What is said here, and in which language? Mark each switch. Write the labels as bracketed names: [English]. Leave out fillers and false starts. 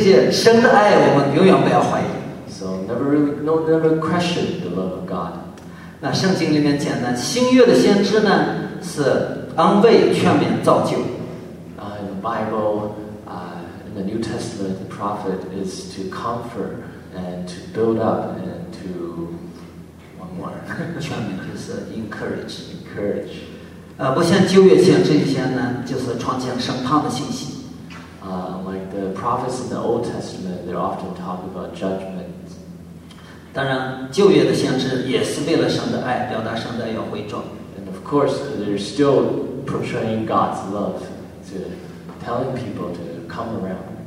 [Chinese] 所以这些神的爱，我们永远不要怀疑。 [English] So never question the love of God. [Chinese] 那圣经里面讲呢，新约的先知呢, 是安慰、劝勉、造就。 In the Bible, in the New Testament, the prophet is to comfort and to build up and to one more. 劝勉就是 encourage. [English] Encourage. [Chinese] 不像旧约先知以前呢, 就是传讲审判的信息。 [English] Like the prophets in the Old Testament, they often talk about judgment. [Chinese] 当然，旧约的先知也是为了神的爱，表达神的爱要回转。 [English] And of course, they're still portraying God's love to telling people to come around.